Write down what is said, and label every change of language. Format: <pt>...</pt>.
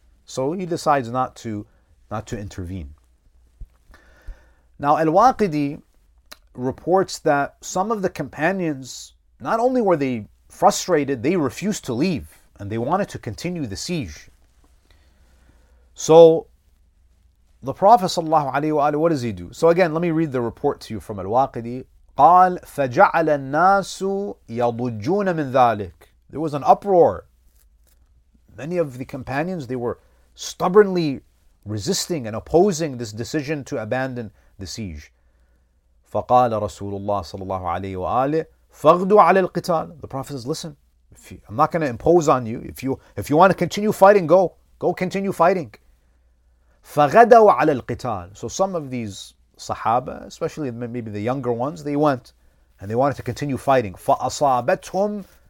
<en>So he decides not to intervene. Now Al-Waqidi reports that some of the companions, not only were they frustrated, they refused to leave and they wanted to continue the siege. So the Prophet ﷺ, what does he do? So again, let me read the report to you from Al-Waqidi.</en> <ar>قال فجعل الناس يضجون من ذلك.</ar> <en>There was an uproar. Many of the companions, they were stubbornly resisting and opposing this decision to abandon the siege.</en> <ar>فقال رسول الله صلى الله عليه وآله فغدوا على القتال.</ar> <en>The Prophet says, listen, I'm not going to impose on you. If you want to continue fighting, go continue fighting.</en> <ar>فغدوا على القتال.</ar> <en>So some of these Sahaba, especially maybe the younger ones, they went and they wanted to continue fighting.</en> <ar>فأصابتهم</ar>